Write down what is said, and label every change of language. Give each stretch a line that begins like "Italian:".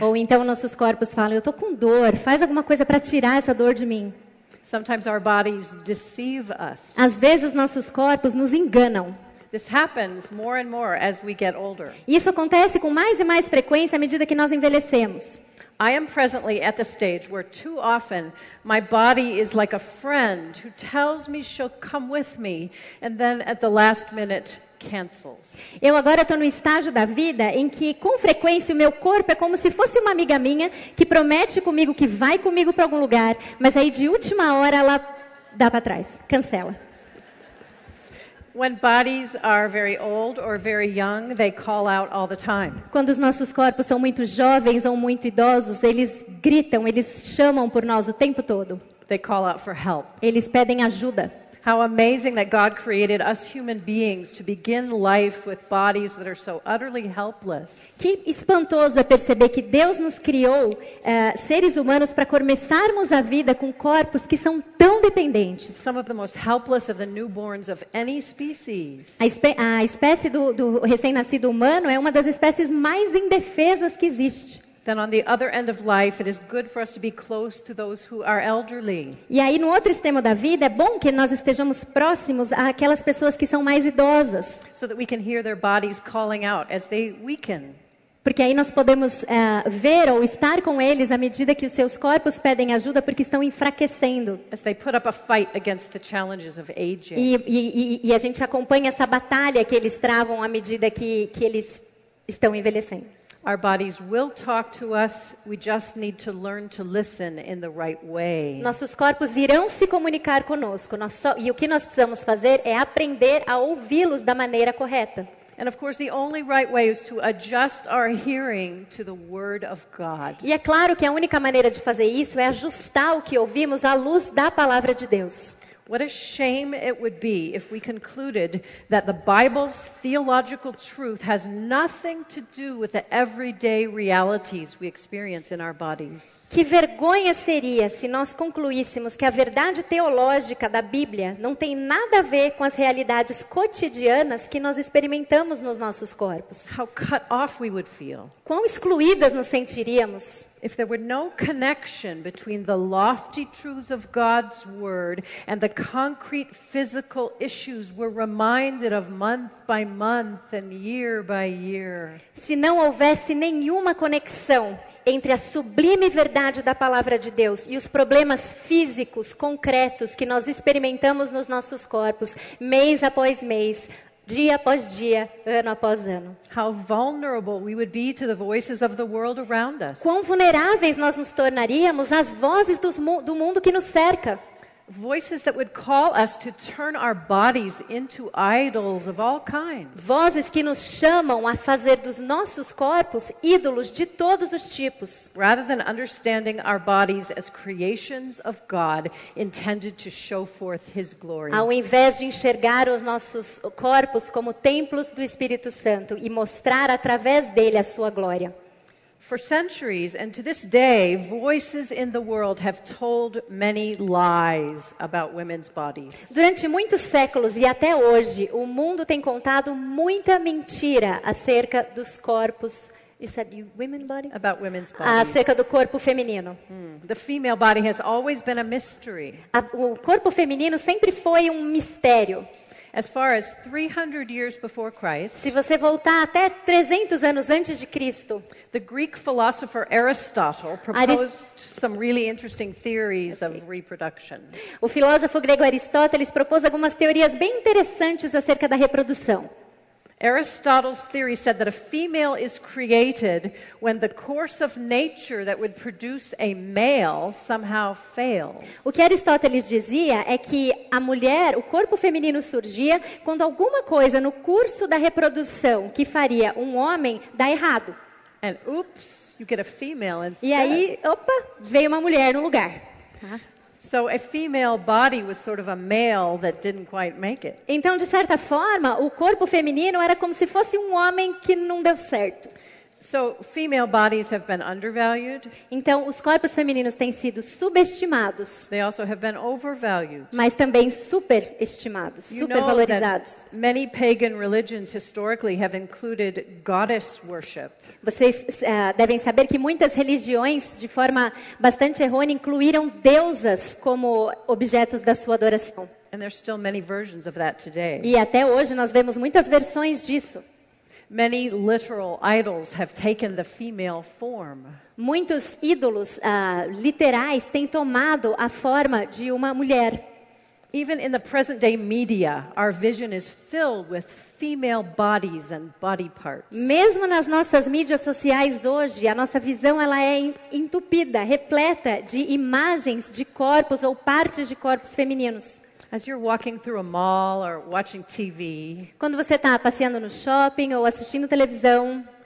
Portuguese: Ou então nossos corpos falam, eu tô com dor, faz alguma coisa para tirar essa dor de mim.
English: Sometimes our bodies deceive us.
Portuguese: Às vezes nossos corpos nos enganam. Isso acontece com mais e mais frequência à medida que nós envelhecemos.
English: I am presently at the stage where too often my body is like a friend who tells me she'll come with me and then at the last minute cancels.
Portuguese: Eu agora estou no estágio da vida em que com frequência o meu corpo é como se fosse uma amiga minha que promete comigo que vai comigo para algum lugar, mas aí de última hora ela dá para trás, cancela.
English: When bodies are very old or very young, they call out all the time.
Portuguese: Quando os nossos corpos são muito jovens ou muito idosos, eles gritam, eles chamam por nós o tempo todo.
English: They call out for help.
Portuguese: Eles pedem ajuda.
English: How amazing that God created us human beings to begin life with bodies that are so utterly helpless.
Portuguese: Que espantoso é perceber que Deus nos criou seres humanos para começarmos a vida com corpos que são tão dependentes.
English: Some of the most helpless of the newborns of any species.
Portuguese: A espécie do recém-nascido humano é uma das espécies mais indefesas que existe.
English: Then on the other end of life, it is good for us to be close to those who are elderly.
Portuguese: E aí no outro extremo da vida é bom que nós estejamos próximos àquelas pessoas que são mais idosas.
English: So that we can hear their bodies calling out as they weaken.
Portuguese: Porque aí nós podemos ver ou estar com eles à medida que os seus corpos pedem ajuda porque estão enfraquecendo.
English: As they put up a fight against the challenges of aging.
Portuguese: E a gente acompanha essa batalha que eles travam à medida que eles estão envelhecendo.
English: Our bodies will talk to us. We just need to learn to listen in the right way.
Portuguese: Nossos corpos irão se comunicar conosco. E o que nós precisamos fazer é aprender a ouvi-los da maneira correta.
English: And of course, the only right way is to adjust our hearing to the word of God.
Portuguese: E é claro que a única maneira de fazer isso é ajustar o que ouvimos à luz da palavra de Deus.
English: What a shame it would be if we concluded that the Bible's theological truth has nothing to do with the everyday realities we experience in our bodies.
Portuguese: Que vergonha seria se nós concluíssemos que a verdade teológica da Bíblia não tem nada a ver com as realidades cotidianas que nós experimentamos nos nossos corpos.
English: How cut off we would feel.
Portuguese: Quão excluídas nos sentiríamos.
English: If there were no connection between the lofty truths of God's word and the concrete physical issues we're reminded of month by month and year by year.
Portuguese: Se não houvesse nenhuma conexão entre a sublime verdade da palavra de Deus e os problemas físicos concretos que nós experimentamos nos nossos corpos mês após mês, dia após dia, ano após ano.
English: How vulnerable we would be to the voices of the world around us.
Portuguese: Quão vulneráveis nós nos tornaríamos às vozes do mundo que nos cerca.
English: Voices that would call us to turn our bodies into idols of all kinds.
Portuguese: Vozes que nos chamam a fazer dos nossos corpos ídolos de todos os tipos.
English: Rather than understanding our bodies as creations of God intended to show forth His glory.
Portuguese: Ao invés de enxergar os nossos corpos como templos do Espírito Santo e mostrar através dele a sua glória.
English: For centuries and to this day, voices in the world have told many lies about women's bodies.
Portuguese: Durante muitos séculos e até hoje, o mundo tem contado muita mentira acerca dos corpos.
English: You said women's body? About women's bodies.
Portuguese: Acerca do corpo feminino.
English: The female body has always been a mystery.
Portuguese: O corpo feminino sempre foi um mistério.
English: As far as 300 years before Christ,
Portuguese: se você voltar até 300 anos antes de Cristo,
English: the Greek philosopher Aristotle proposed some really interesting theories of reproduction.
Portuguese: O filósofo grego Aristóteles propôs algumas teorias bem interessantes acerca da reprodução.
English: Aristotle's theory said that a female is created when the course of nature that would produce a male somehow fails.
Portuguese: O que Aristóteles dizia é que a mulher, o corpo feminino surgia quando alguma coisa no curso da reprodução que faria um homem dá errado.
English: And oops, you get a female instead.
Portuguese: E aí, opa, veio uma mulher no lugar.
English: So a female body was sort of a male that didn't quite make it.
Portuguese: Então, de certa forma, o corpo feminino era como se fosse um homem que não deu certo.
English: So female bodies have been undervalued.
Portuguese: Então, os corpos femininos têm sido subestimados.
English: They also have been overvalued.
Portuguese: Mas também superestimados, supervalorizados.
English: You know that many pagan religions historically have included goddess worship.
Portuguese: Vocês devem saber que muitas religiões, de forma bastante errônea, incluíram deusas como objetos da sua adoração.
English: And there's still many versions of that today.
Portuguese: E até hoje nós vemos muitas versões disso.
English: Many literal idols have taken the female form.
Portuguese: Muitos ídolos literais têm tomado a forma de uma mulher.
English: Even in the present day media, our vision is filled with female bodies and body parts.
Portuguese: Mesmo nas nossas mídias sociais hoje, a nossa visão ela é entupida, repleta de imagens de corpos ou partes de corpos femininos.
English: As you're walking through a mall or watching TV,
Portuguese: quando você está passeando no shopping ou assistindo televisão,